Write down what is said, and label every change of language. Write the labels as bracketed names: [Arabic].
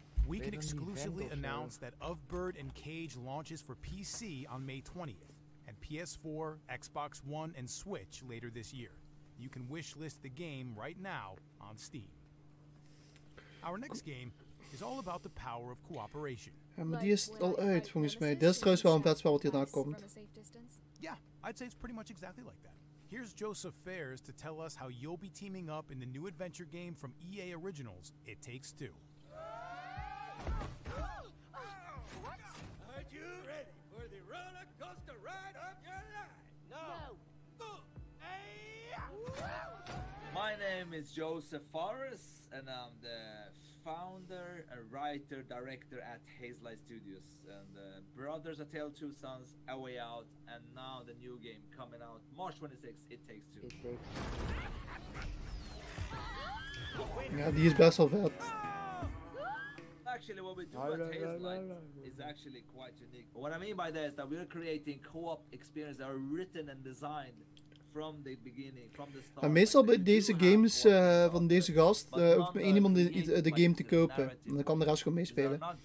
[English] exclusively announced that Of Bird and Cage launches for PC on May 20th, and PS4, Xbox One, and Switch later this year. You can wishlist the game right now on Steam. Our next game is all about the power of cooperation. [Dutch] Maar die is al uit, volgens mij. Dit is trouwens wel een vet spel wat hierna komt. [English] Yeah, I'd say it's pretty much exactly like that. Here's Joseph Fares to tell us how you'll be teaming up in the new adventure game from EA Originals, It Takes Two. What? Are you ready for the roller coaster ride of your life? No. My name is Joseph Fares, and I'm the founder, a writer, director at Hazelight Studios, and Brothers A Tale Two Sons, A Way Out, and now the new game coming out March 26th, It Takes Two. Yeah, these best of it. Actually, what we do at Hazelight is actually quite unique. What I mean by that is that we're creating co-op experiences that are written and designed from the beginning, from the start. [Dutch] En meestal bij deze games van deze gast hoeft maar één iemand de game te kopen. En dan kan de rest gewoon meespelen.